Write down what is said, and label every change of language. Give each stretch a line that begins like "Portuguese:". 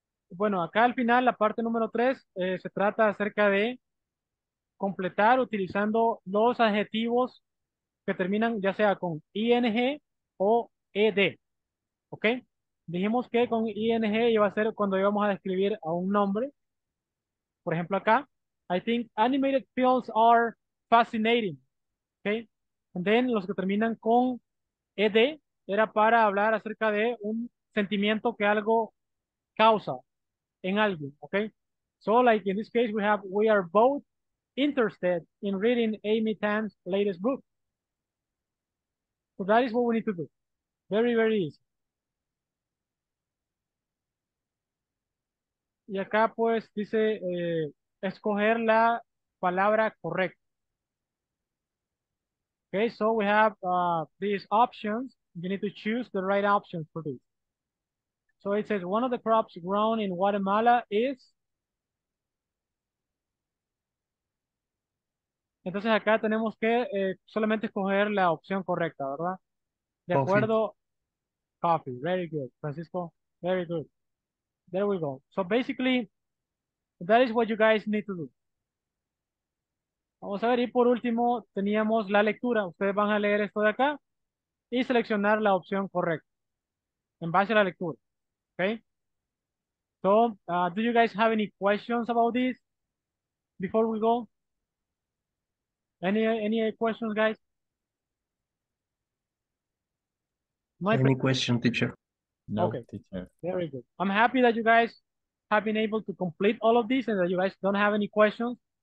Spanish: Bueno, acá al final, la parte número 3, se trata acerca de completar utilizando los adjetivos que terminan ya sea con ing o ed. ¿Ok? Dijimos que con ing iba a ser cuando íbamos a describir a un nombre. Por ejemplo, acá,
English: I think animated films are fascinating.
Spanish: ¿Ok?
English: And then,
Spanish: los que terminan con ed era para hablar acerca de un sentimiento que algo causa en alguien. ¿Ok?
English: So, like in this case, we are both interested in reading Amy Tan's latest book. So that is what we need to do. Very, very easy.
Spanish: Y acá, pues, dice escoger la palabra correcta.
English: Okay, so we have these options. You need to choose the right option for this. So it says one of the crops grown in Guatemala is.
Spanish: Entonces acá tenemos que solamente escoger la opción correcta, ¿verdad?
English: De coffee.
Spanish: Acuerdo.
English: Coffee. Very good, Francisco. Very good. There we go. So basically, that is what you guys need to do.
Spanish: Vamos a ver. Y por último, teníamos la lectura. Ustedes van a leer esto de acá y seleccionar la opción correcta en base a la lectura.
English: Okay? So, do you guys have any questions about this before we go? Any questions, guys? Question, teacher? No, okay. Teacher. Very good. I'm happy that you guys have been able to complete all of this and that you guys don't have any questions.